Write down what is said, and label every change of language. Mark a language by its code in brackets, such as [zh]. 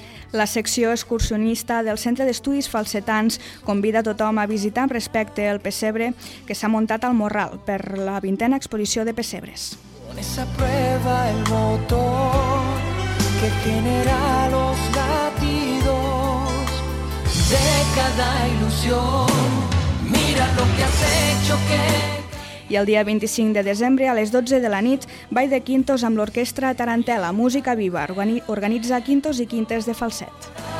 [ca] La secció excursionista del Centre d'Estudis Falsetans convida tothom a visitar amb respecte el pessebre que s'ha muntat al Morral per la 20a exposició de pessebres. [es] Con esa prueba el motor que genera los latidos de cada ilusión, mira lo que has hecho que... [ca] I el dia 25 de desembre, a les 12 de la nit, ball de quintos amb l'orquestra Tarantela, Música Viva, organitza Quintos i Quintes de Falset.